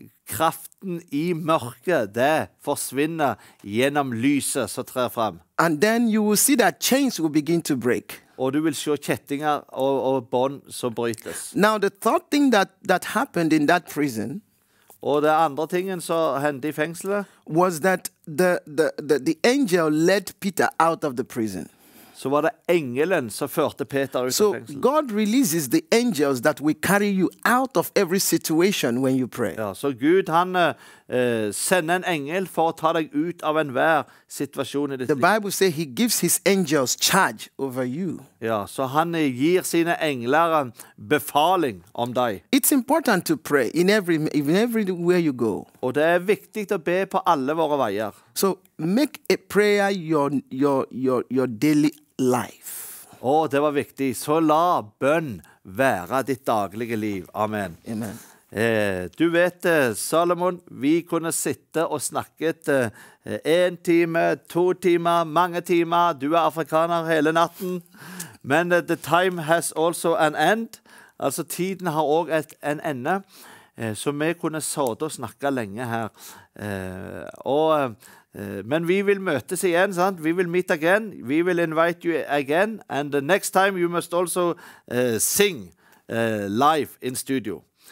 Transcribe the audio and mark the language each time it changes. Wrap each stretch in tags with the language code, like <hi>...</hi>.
<no>Kraften i mørket, det forsvinner gjennom lyset som trer frem.</no> <en>And then you will see that chains will begin to break.</en> <no>Og du vil se kjettinger og bånd som brytes.</no> <en>Now the third thing that happened in that prison.</en> <no>Og det andre tingen som hendte i fengselet.</no> <en>Was that the angel led Peter out of the prison.</en> <no>Så var det engelen som førte Peter ut av fengselet.</no> <en>So God releases the angels that will carry you out of every situation when you pray.</en> <no>Ja, så Gud han sender en engel for å ta deg ut av enhver situasjon i ditt liv.</no> <en>The Bible says he gives his angels charge over you.</en> <no>Ja, så han gir sine engler befaling om deg.</no> <en>It's important to pray in every where you go.</en> <no>Og det er viktig å be på alle våre veier.</no> <en>So make a prayer your daily life.</en> <no>Åh, det var viktig. Så la bønn være ditt daglige liv.</no> <en>Amen.</en> <no>Amen. Du vet, Salomon, vi kunne sitte og snakket en time, to timer, mange timer. Du er afrikaner hele natten. Men</no> <en>the time has also an end.</en> <no>Altså, tiden har også en ende. Så vi kunne sitte og snakke lenge her. Men vi vil møtes igjen, sant? Vi vil</no> <en>meet again. We will invite you again. And the next time you must also sing live in studio.</en>